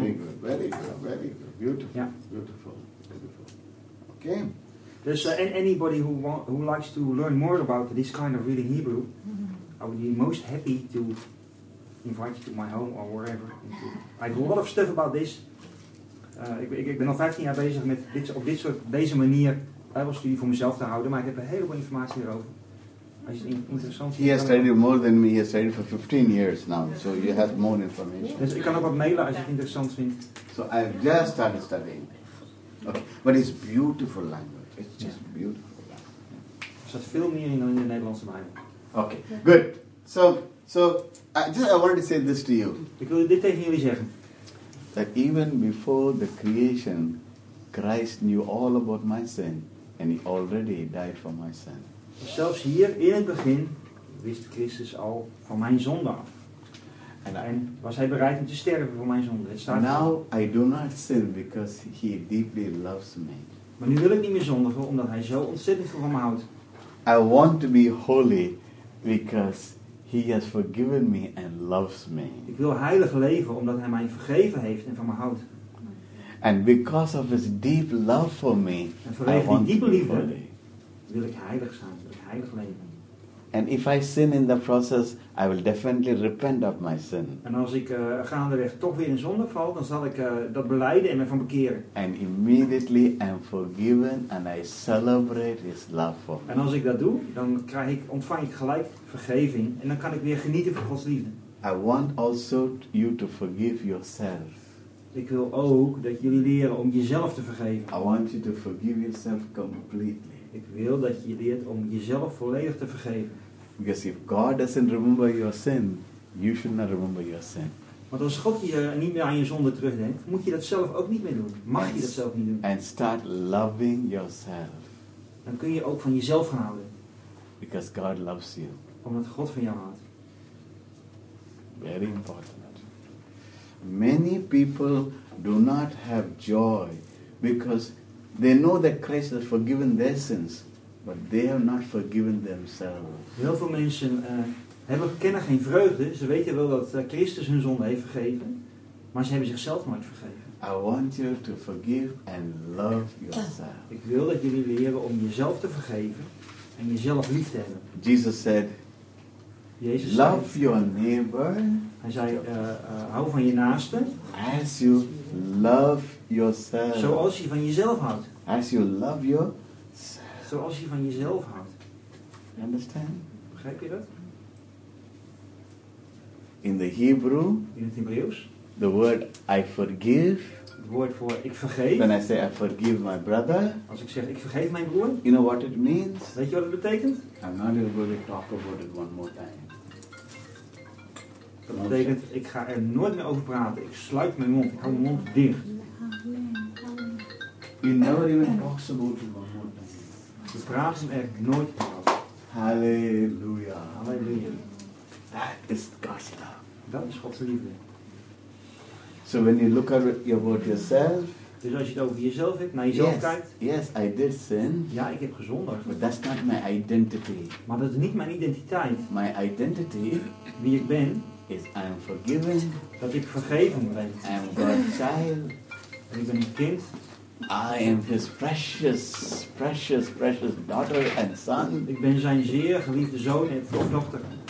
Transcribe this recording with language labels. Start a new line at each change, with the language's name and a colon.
English: Very good, very good, very good. Beautiful, yeah. Beautiful, beautiful. Okay.
Dutch: Dus
English: anybody who likes to learn more about this kind of reading Hebrew, I would be most happy to invite you to my home or wherever. I have a lot of stuff about this.
Dutch: Ik ben al 15 jaar bezig met deze manier Bijbelstudie voor mezelf te houden, maar ik heb een heleboel informatie erover. Als je het interessant vindt.
English: He has studied more than me, he has studied for 15 years now, so you have more information.
Dutch: Dus ik kan ook wat mailen als je het interessant vindt.
English: So I've just started studying. Okay. But it's beautiful language. It's just beautiful language.
Dutch: Er staat veel meer in dan in de Nederlandse Bijbel.
English: Okay, good. So I wanted to say this to you.
Dutch: Ik wil dit tegen jullie zeggen.
English: That even before the creation, Christ knew all about my sin, and he already died for my sin.
Dutch: Zelfs hier in het begin wist Christus al van mijn zonde af. En was hij bereid om te sterven voor mijn zonde? Het staat
English: now I do not sin because he deeply loves me.
Dutch: Maar nu wil ik niet meer zondigen omdat hij zo ontzettend veel van me houdt.
English: I want to be holy because he has forgiven me and loves me.
Dutch: Ik wil heilig leven omdat hij mij vergeven heeft en van me houdt.
English: And because of his deep love for me,
Dutch: en vanwege die diepe liefde wil ik heilig zijn, wil ik heilig leven.
English: And if I sin in the process, I will definitely repent of my sin.
Dutch: En als ik gaandeweg toch weer in zonde val, dan zal ik dat belijden en me van bekeren.
English: And immediately I'm forgiven and I celebrate his love for me.
Dutch: En als ik dat doe, dan ontvang ik gelijk vergeving en dan kan ik weer genieten van Gods liefde.
English: I want also you to forgive yourself.
Dutch: Ik wil ook dat jullie leren om jezelf te vergeven.
English: I want you to forgive yourself completely.
Dutch: Ik wil dat je leert om jezelf volledig te vergeven.
English: Because if God doesn't remember your sin, you should not remember your sin.
Dutch: Want als God je niet meer aan je zonde terugdenkt, moet je dat zelf ook niet meer doen. Mag je dat zelf niet doen.
English: And start loving yourself.
Dutch: Dan kun je ook van jezelf gaan houden.
English: Because God loves you.
Dutch: Omdat God van jou houdt.
English: Very important. Many people do not have joy because they know that Christ has forgiven their sins, but they have not forgiven themselves.
Dutch: Heel veel mensen kennen geen vreugde. Ze weten wel dat Christus hun zonde heeft vergeven, maar ze hebben zichzelf nooit vergeven.
English: I want you to forgive and love yourself.
Dutch: Ik wil dat jullie leren om jezelf te vergeven en jezelf lief te hebben.
English: Jesus said,
Dutch: Jezus zei,
English: love your neighbor.
Dutch: Hij zei, hou van je naaste.
English: As you love yourself.
Dutch: Zoals je van jezelf houdt.
English: As you love yourself.
Dutch: Zoals je van jezelf houdt.
English: You understand?
Dutch: Begrijp je dat?
English: In the Hebrew.
Dutch: In het Hebreeuws.
English: The word I forgive.
Dutch: Het woord voor ik vergeef.
English: When I say I forgive my brother.
Dutch: Als ik zeg ik vergeef mijn broer.
English: You know what it means?
Dutch: Weet je wat het betekent?
English: I'm not going to really talk about it one more time.
Dutch: Dat betekent ik ga er nooit meer over praten. Ik sluit mijn mond. Ik hou mijn mond dicht.
English: You never even talk about it one more time.
Dutch: We praten hem er nooit meer over. Hallelujah. Hallelujah.
English: That is God's love.
Dutch: Dat is Gods liefde.
English: So when you look at about yourself,
Dutch: dus als je het over jezelf hebt, naar jezelf kijkt.
English: Yes, I did sin.
Dutch: Ja, ik heb gezondigd.
English: But that's not my identity.
Dutch: Maar dat is niet mijn identiteit.
English: My identity,
Dutch: wie ik ben,
English: is I am forgiven.
Dutch: Dat ik vergeven ben.
English: I am God's child.
Dutch: En ik ben een kind.
English: I am His precious, precious, precious daughter and son.
Dutch: Ik ben zijn zeer geliefde zoon en dochter.